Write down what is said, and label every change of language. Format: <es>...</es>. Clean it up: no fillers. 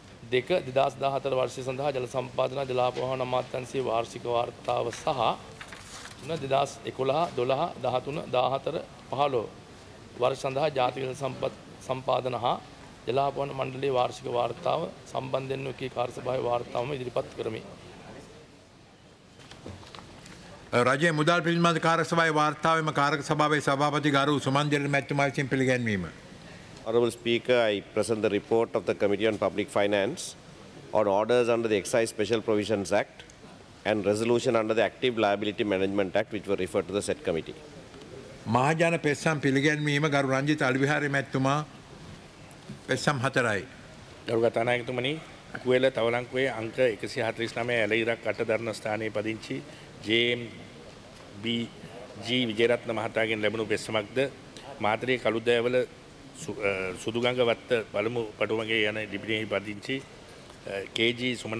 <si>2 2014 වර්ෂය සඳහා ජල සම්පාදන ජලාපවාහන අමාත්‍යාංශයේ වාර්ෂික වාර්තාව සහ 2011 12 13 14 15 වර්ෂ සඳහා ජාතික ජල සම්පත් සම්පාදන හා ජලාපවාහන මණ්ඩලයේ වාර්ෂික වාර්තාව සම්බන්ධයෙන් එකී කාර්යසභාවේ වාර්තාවම ඉදිරිපත් කරමි. රජයේ මුදල් පිළිබඳ කාර්ක සභාවේ වාර්තාවෙම කාර්ක සභාවේ සභාපති ගරු සුමන්දිර මැතිතුමා විසින් පිළිගැන්වීම.</si> <en>Honorable Speaker, I present the report of the Committee on Public Finance on orders under the Excise Special Provisions Act and resolution under the Active Liability Management Act which were referred to the said committee.</en> <si>මහජන පෙස්සම් පිළිගැන්වීම ගරු රංජිත් අලිවිහාරී මැතිතුමා පෙස්සම් 4යි. ගරු ගතනායකතුමනි, කුවේල තවලංකුවේ අංක 149 ඇල ඉරක් අට දරන ස්ථානයේ පදිංචි ජේ.බී.ජී. විජේරත්න මහතාගෙන් ලැබුණු පෙස්සමක්ද මාතරේ කළුදෑවල සුදුගඟ වත්ත බලමු පටුමගේ යන ඩිපිනෙහි පදිංචි කේ.ජී.</si>